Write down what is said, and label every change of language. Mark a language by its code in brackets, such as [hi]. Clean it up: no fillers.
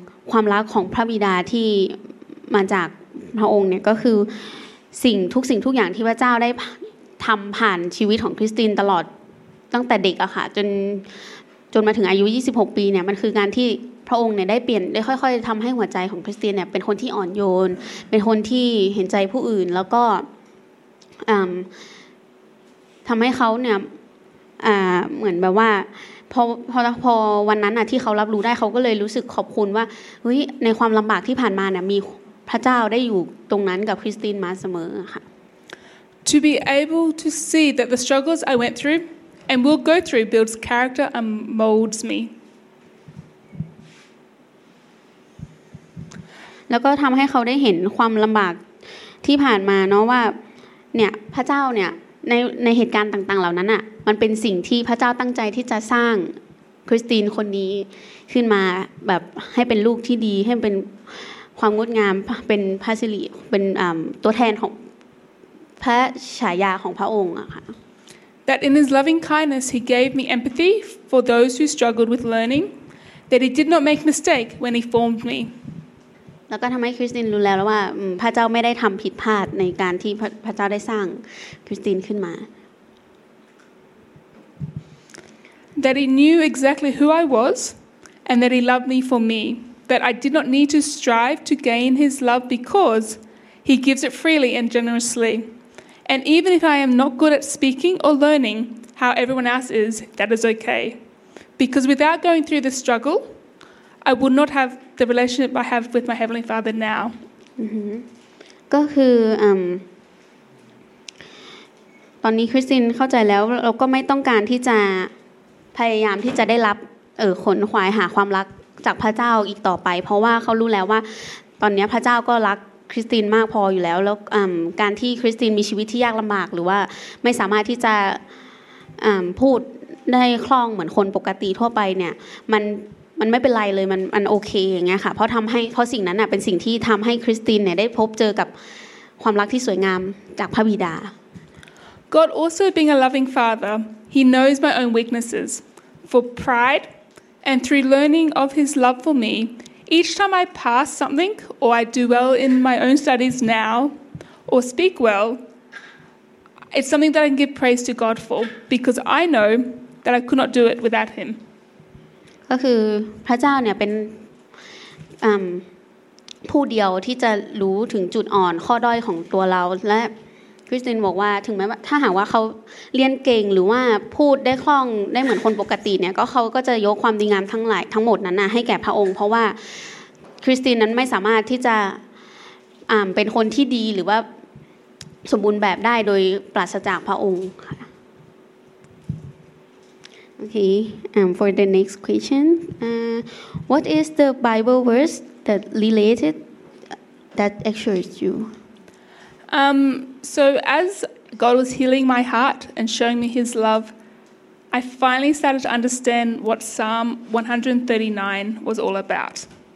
[th] ความรักของพระบิดาที่มาจากพระองค์เนี่ยก็คือสิ่งทุกอย่างที่พระเจ้าได้ทำผ่านชีวิตของคริสตินตลอดตั้งแต่เด็กอะค่ะจนมาถึงอายุ26ปีเนี่ยมันคือการที่พระองค์เนี่ยได้เปลี่ยนได้ค่อยๆทำให้หัวใจของคริสเตียนเนี่ยเป็นคนที่อ่อนโยนเป็นคนที่เห็นใจผู้อื่นแล้วก็ทำให้เขาเนี่ยเหมือนแบบว่า พอวันนั้นน่ะที่เขารับรู้ได้เขาก็เลยรู้สึกขอบคุณว่าเฮ้ยในความลำบากที่ผ่านมาเนี่ยมีพระเจ้าได้อยู่ตรงนั้นกับคริสตินมาเสมอค่ะ [en] To be able to see that the struggles I went through and will go through builds character and molds me [th] แล้วก็ทำให้เขาได้เห็นความลำบากที่ผ่านมาเนาะว่าเนี่ยพระเจ้าเนี่ยในเหตุการณ์ต่างๆเหล่านั้นอ่ะมันเป็นสิ่งที่พระเจ้าตั้งใจที่จะสร้างคริสตินคนนี้ขึ้นมาแบบให้เป็นลูกที่ดีให้เป็นความงดงามเป็นพระสิริเป็นตัวแทนของพระฉายาของพระองค์อ่ะค่ะ [en] That in his loving kindness he gave me empathy for those who struggled with learning that he did not make mistake when he formed me [th] แล้วก็ทำให้คริสตินรู้แล้วว่าพระเจ้าไม่ได้ทำผิดพลาดในการที่พระเจ้าได้สร้างคริสตินขึ้นมา [en] That he knew exactly who I was and that he loved me for me that I did not need to strive to gain his love because he gives it freely and generously and even if I am not good at speaking or learning how everyone else is that is okay because without going through the struggle I would not haveThe relationship I have with my heavenly Father now. [th] ก็คือตอนนี้คริสตินเข้าใจแล้วเราก็ไม่ต้องการที่จะพยายามที่จะได้รับขนขวายหาความรักจากพระเจ้าอีกต่อไปเพราะว่าเขารู้แล้วว่าตอนนี้พระเจ้าก็รักคริสตินมากพออยู่แล้วแล้วการที่คริสตินมีชีวิตที่ยากลำบากหรือว่าไม่สามารถที่จะ พูดได้คล่องเหมือนคนปกติทั่วไปเนี่ยมันไม่เป็นไรเลยมันโอเคอย่างเงี้ยค่ะเพราะสิ่งนั้นน่ะเป็นสิ่งที่ทำให้คริสตินเนี่ยได้พบเจอกับความรักที่สวยงามจากพระบิดา [en] God also being a loving father he knows my own weaknesses for pride and through learning of his love for me each time I pass something or I do well in my own studies now or speak well it's something that I can give praise to God for because I know that I could not do it without him [th] ก็คือพระเจ้าเนี่ยเป็นผู้เดียวที่จะรู้ถึงจุดอ่อนข้อด้อยของตัวเราและคริสตินบอกว่าถึงแม้ว่าถ้าหากว่าเขาเรียนเก่งหรือว่าพูดได้คล่องได้เหมือนคนปกติเนี่ยก็เขาก็จะยกความดีงามทั้งหลายทั้งหมดนั้นนะให้แก่พระองค์เพราะว่า คริสตินนั้นไม่สามารถที่จะเป็นคนที่ดีหรือว่าสมบูรณ์แบบได้โดยปราศจากพระองค์ [en] Okay, for the next question, what is the Bible verse that related that assures you? So as God was healing my heart and showing me his love, I finally started to understand what Psalm 139 was all about.